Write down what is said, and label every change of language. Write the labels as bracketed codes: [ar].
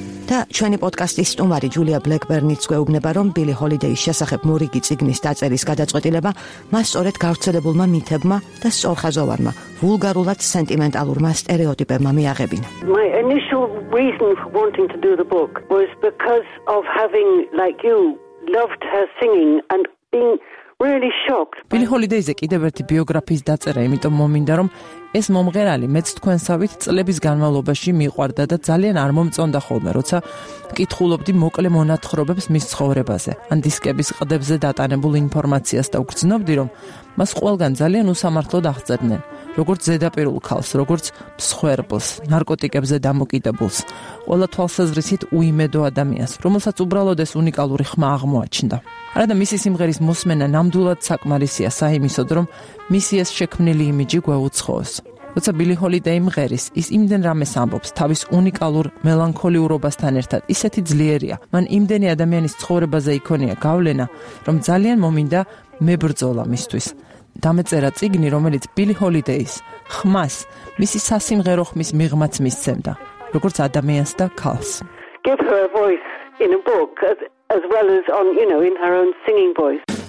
[ka] და ჩვენი პოდკასტის სტუმარი ჯულია ბლეკბერნიც გვეუბნება, რომ ბილი ჰოლიდეის შესახებ მორიგი ციგნის დაწერის გადაწყვეტილება მას სწორედ გავრცელებულმა მითებმა და სწორხაზოვანმა, ვულგარულად სენტიმენტალურმა სტერეოტიპებმა მიაღებინა. [en] My initial reason for wanting to do the book was because of having, like you, loved her singing and being really shocked. [ka] ბილი ჰოლიდეიზე კიდევ ერთი ბიოგრაფიის დაწერა იმიტომ მომინდა, რომ ეს მომღერალი მეც თქვენსავით წლების განმავლობაში მიყვარდა და ძალიან არ მომწონდა ხოლმე, როცა კითხულობდი მოკლე მონათხრობებს მის ცხოვრებაზე ან დისკების ყდებზე დატანებულ ინფორმაციას და ვგრძნობდი, რომ მას ყველგან ძალიან უსამართლოდ აღწერდნენ, როგორც ზედაპირულ ქალს, როგორც მსხვერპლს, ნარკოტიკებზე დამოკიდებულს, ყველა თვალსაზრისით უიმედო ადამიანს, რომელსაც უბრალოდ ეს უნიკალური ხმა აღმოაჩნდა. არა და მისი სიმღერის მოსმენა ნამდვილად საკმარისია საიმისოდ, რომ მისი ეს შექმნილი იმიჯი გვეუცხოოს. როცა ბილი ჰოლიდეი მღერის, ის იმდენ რამეს ამბობს თავის უნიკალურ მელანქოლიურობასთან ერთად, ისეთი ძლიერია, მან იმდენი ადამიანის ცხოვრებაზე იქონია გავლენა, რომ ძალიან მომინდა მებრძოლა მისთვის. დამეწერა წიგნი, რომელიც ბილი ჰოლიდეის ხმას მისი სასიმღერო ხმის მიღმაც მისცემდა, როგორც ადამიანს და ქალს. [en] Give her a voice in a book as well as on, you know, in her own singing voice.